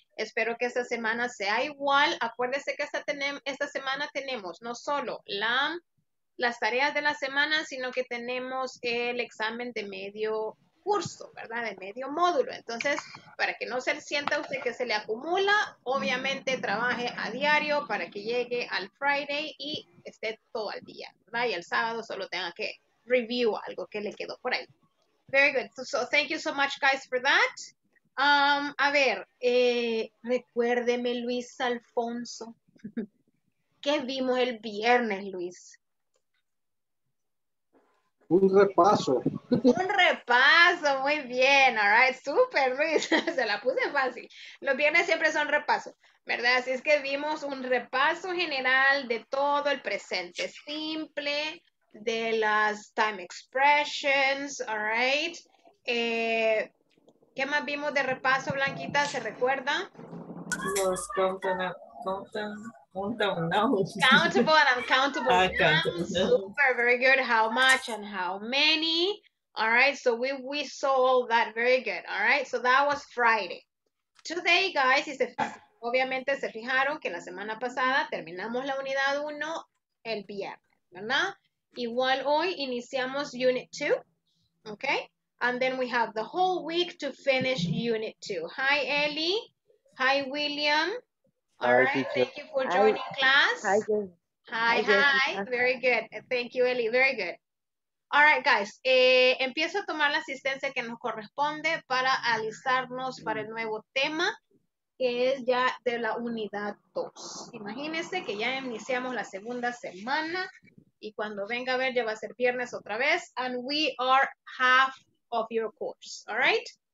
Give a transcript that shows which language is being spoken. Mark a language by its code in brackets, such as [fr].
[es] Espero que esta semana sea igual. Acuérdense que esta semana tenemos no solo las tareas de la semana, sino que tenemos el examen de medio curso, ¿verdad? De medio módulo. Entonces, para que no se sienta usted que se le acumula, obviamente trabaje a diario para que llegue al Friday y esté todo al día, ¿verdad? Y el sábado solo tenga que review algo que le quedó por ahí. [en] Very good. So thank you so much, guys, for that. [es] A ver, recuérdeme, Luis Alfonso. ¿Qué vimos el viernes, Luis? Un repaso. Un repaso, muy bien. [en] All right, super, Luis. [es] Se la puse fácil. Los viernes siempre son repaso, ¿verdad? Así es que vimos un repaso general de todo el presente simple, de las time expressions, [en] all right. [es] ¿Qué más vimos de repaso, Blanquita? ¿Se recuerda? [en] Los countable nouns. Countable and uncountable nouns. Super, very good. How much and how many. All right, so we saw all that. Very good. All right, so that was Friday. Today, guys, [es] obviamente se fijaron que la semana pasada terminamos la unidad 1 el viernes, ¿verdad? Igual hoy iniciamos unit 2, okay? [en] And then we have the whole week to finish unit 2. Hi, Ellie. Hi, William. All right, thank you for joining class. Hi. Very good. Thank you, Ellie. Very good. All right, guys. [es] Empiezo a tomar la asistencia que nos corresponde para alistarnos para el nuevo tema, que es ya de la unidad 2. Imagínense que ya iniciamos la segunda semana y cuando venga a ver ya va a ser viernes otra vez. [en] And we are half of your course, all right?